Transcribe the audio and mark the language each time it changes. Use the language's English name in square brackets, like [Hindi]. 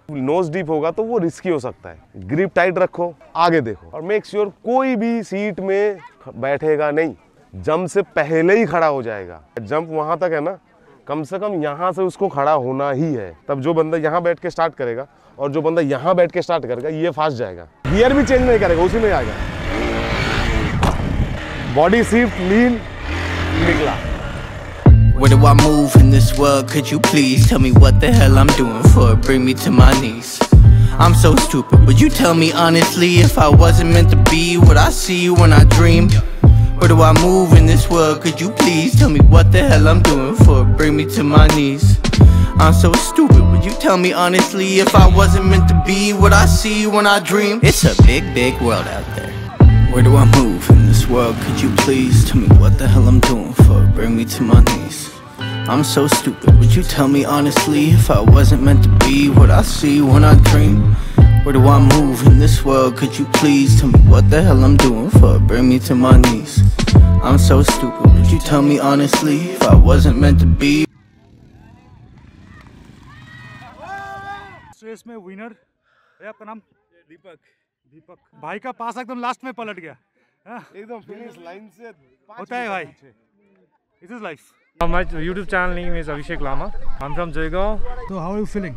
[Hindi] Knows deep होगा तो वो रिस्की हो सकता है। ग्रिप टाइट रखो, आगे देखो और मेक श्योर कोई भी सीट में बैठेगा नहीं, जंप से पहले ही खड़ा हो जाएगा। जंप वहां तक है ना, कम से कम यहाँ से उसको खड़ा होना ही है। तब जो बंदा यहाँ बैठ के स्टार्ट करेगा और जो बंदा यहाँ बैठ के स्टार्ट करेगा, ये फास्ट जाएगा। गियर भी चेंज नहीं करेगा, उसी में आएगा। बॉडी शिफ्ट लीन निकला। [English] Where do I move in this world? Could you please tell me what the hell I'm doing for? Bring me to my knees. I'm so stupid. Would you tell me honestly if I wasn't meant to be? Would I see you when I dream? Where do I move in this world? Could you please tell me what the hell I'm doing for? Bring me to my knees. I'm so stupid. Would you tell me honestly if I wasn't meant to be? Would I see you when I dream? It's a big, big world out there. Where do I move in this world? Could you please tell me what the hell I'm doing for? Bring me to my knees. I'm so stupid. Would you tell me honestly if I wasn't meant to be? What I see when I dream? Where do I move in this world? Could you please tell me what the hell I'm doing for? Bring me to my knees. I'm so stupid. Would you tell me honestly if I wasn't meant to be? [Hindi] So इसमें winner है, आपका नाम? दीपक। दीपक भाई का पास एकदम last में पलट गया, एकदम फिनिश लाइन से होता है भाई। [English] It is life. My YouTube channel name is Abhishek Lama. I am from Jaigaon. So how are you feeling?